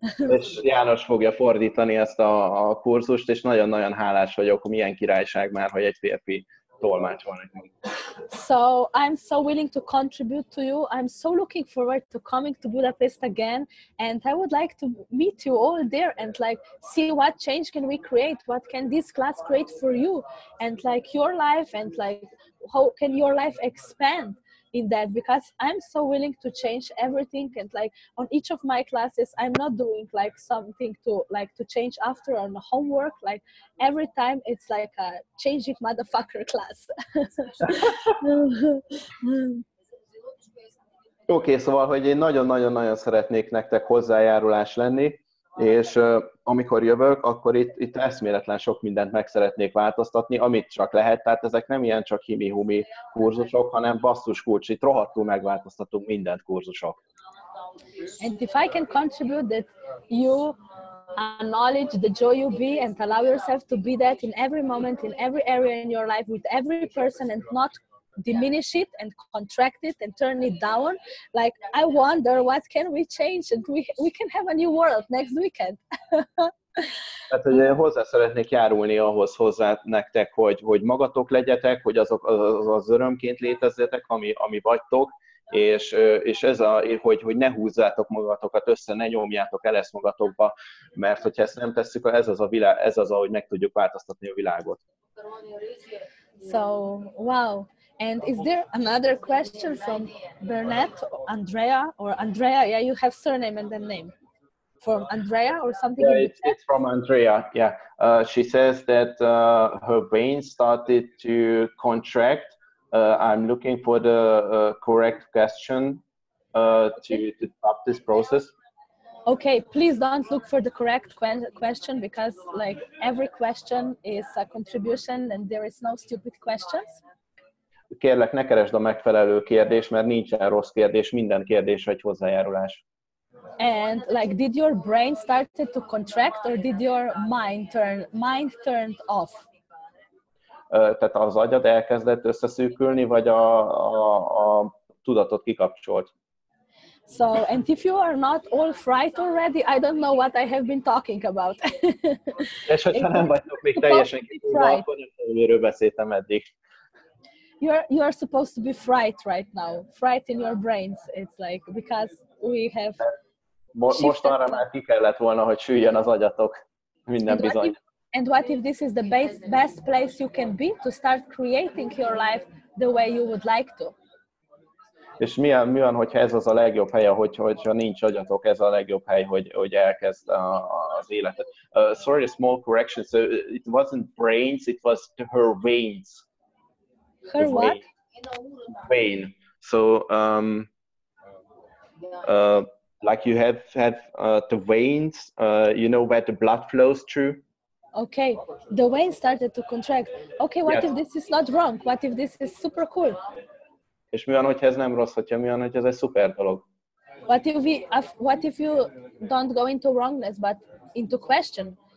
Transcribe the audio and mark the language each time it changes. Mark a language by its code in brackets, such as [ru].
[hu] És János fogja fordítani ezt a kurzust, és nagyon-nagyon hálás vagyok, milyen királyság már, hogy egy férfi tolmács van. [en] So I'm so willing to contribute to you. I'm so looking forward to coming to Budapest again. And I would like to meet you all there and like see what change can we create? What can this class create for you? And like your life and like how can your life expand in that? Because I'm so willing to change everything. And like on each of my classes, I'm not doing like something to like to change after on homework. Like every time it's like a changing motherfucker class. [hu] Okay, szóval, hogy én nagyon-nagyon-nagyon szeretnék nektek hozzájárulás lenni, és amikor jövök, akkor itt eszméletlen sok mindent meg szeretnék változtatni, amit csak lehet, tehát ezek nem ilyen csak himi-humi kurzusok, hanem basszus kulcs, itt rohadtul megváltoztatunk mindent kurzusok. [en] And if I can contribute that you acknowledge the joy you be and allow yourself to be that in every moment, in every area in your life, with every person and not diminish it and contract it and turn it down. Like, I wonder what can we change and we can have a new world next weekend. [hu] Hát, hogy én hozzá szeretnék járulni ahhoz hozzá nektek, hogy magatok legyetek, hogy azok az örömként létezzetek, ami vagytok, és ez a, hogy ne húzzátok magatokat össze, ne nyomjátok el ezt magatokba, mert hogyha ezt nem tesszük, ez az a világ, ez az, ahogy meg tudjuk változtatni a világot. [en] So, wow. And is there another question from Bernat, Andrea, or Andrea? Yeah, you have surname and then name. From Andrea or something? Yeah, it's from Andrea, yeah. She says that her veins started to contract. I'm looking for the correct question to stop this process. Okay, please don't look for the correct question because like every question is a contribution and there is no stupid questions. [hu] Kérlek, ne keresd a megfelelő kérdést, mert nincsen rossz kérdés, minden kérdés vagy hozzájárulás. [en] And like, did your brain started to contract, or did your mind turned off? [hu] Tehát az agyad elkezdett összeszűkülni, vagy a tudatot kikapcsolt? [en] So, and if you are not all fright already, I don't know what I have been talking about. [hu] És hogyha nem vagytok még teljesen kikapcsolva, akkor nem tudom, miről beszéltem eddig. [en] You are supposed to be fright right now. Fright in your brains. It's like because we have. [hu] Most arra már ki kellett volna, hogy süljön az agyatok. Minden bizony. [en] And what if this is the best place you can be to start creating your life the way you would like to? [hu] És mi van, hogyha ez az a legjobb hely, hogyha nincs agyatok, ez a legjobb hely, hogy elkezd az életet. [en] Sorry, a small correction. So it wasn't brains, it was her veins. Her what? Vein. So, like you have the veins, you know where the blood flows through? Okay, the veins started to contract. Okay, what yes. If this is not wrong? What if this is super cool? [hu] És mi van, hogyha ez nem rossz, hogyha mi van, hogyha ez egy szuper dolog? [en] What if you don't go into wrongness, but into question?